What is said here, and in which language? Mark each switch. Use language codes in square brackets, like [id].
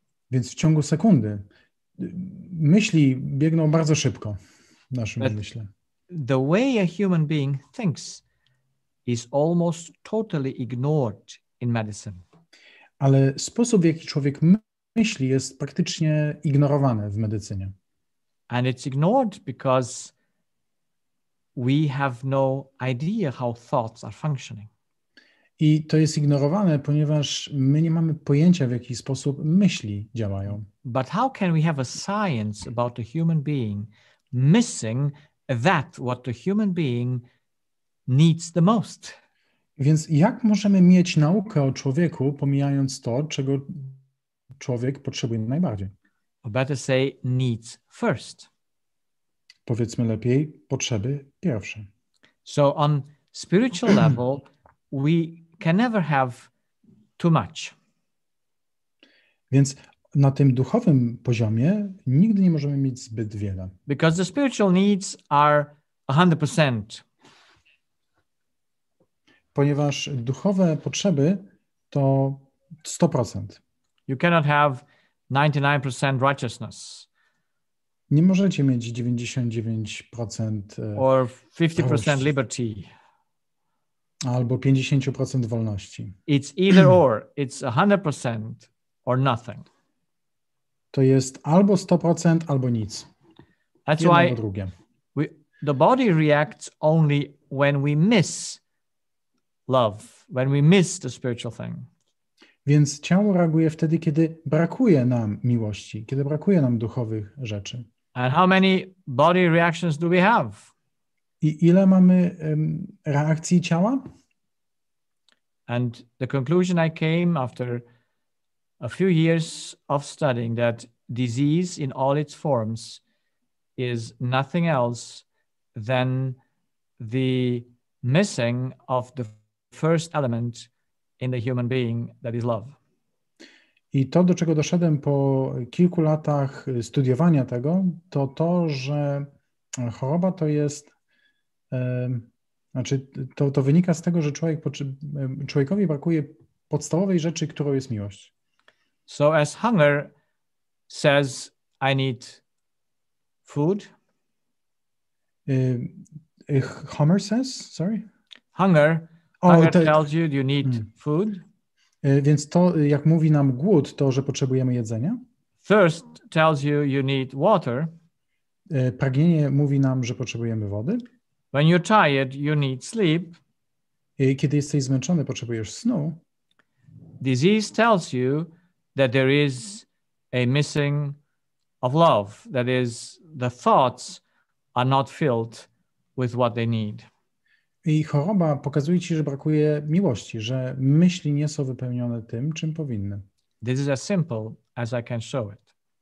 [pl] Więc w ciągu sekundy myśli biegną bardzo szybko w naszym umyśle. [en] The way a human being thinks is almost totally ignored in medicine. [pl] Ale sposób, w jaki człowiek myśli, jest praktycznie ignorowany w medycynie. [en] And it's ignored because we have no idea how thoughts are functioning. [pl] I to jest ignorowane, ponieważ my nie mamy pojęcia, w jaki sposób myśli działają. [en] But how can we have a science about a human being missing that what the human being needs the most? [pl] Więc jak możemy mieć naukę o człowieku, pomijając to, czego człowiek potrzebuje najbardziej? [en] Or better say, needs first. [pl] Powiedzmy lepiej, potrzeby pierwsze. [en] So on spiritual level, we can never have too much. [pl] Więc na tym duchowym poziomie nigdy nie możemy mieć zbyt wiele. [en] Because the spiritual needs are 100%. [pl] Ponieważ duchowe potrzeby to 100%. [en] You cannot have 99% righteousness. [pl] Nie możecie mieć 99% [en] or 50% liberty. [pl] Albo 50% wolności. [en] It's either or. It's 100% or nothing. [pl] To jest albo 100%, albo nic. [en] That's why the body reacts only when we miss love, when we miss the spiritual thing. [pl] Więc ciało reaguje wtedy, kiedy brakuje nam miłości, kiedy brakuje nam duchowych rzeczy. [en] And how many body reactions do we have? [pl] I ile mamy reakcji ciała? [en] And the conclusion I came after a few years of studying that disease in all its forms is nothing else than the missing of the first element in the human being, that is love. [pl] I to, do czego doszedłem po kilku latach studiowania tego, to to, że choroba to jest... Znaczy, to wynika z tego, że człowiekowi brakuje podstawowej rzeczy, którą jest miłość. [en] So as hunger says, I need food. Homer says, sorry? Hunger tells you you need food. [pl] Więc to, jak mówi nam głód, to, że potrzebujemy jedzenia. [en] Thirst tells you you need water. [pl] Pragnienie mówi nam, że potrzebujemy wody. [en] When you're tired, you need sleep. [pl] Kiedy jesteś zmęczony, potrzebujesz snu. [en] Disease tells you that there is a missing of love. That is, the thoughts are not filled with what they need. [pl] I choroba pokazuje ci, że brakuje miłości, że myśli nie są wypełnione tym, czym powinny. [en] This is as simple as I can show it.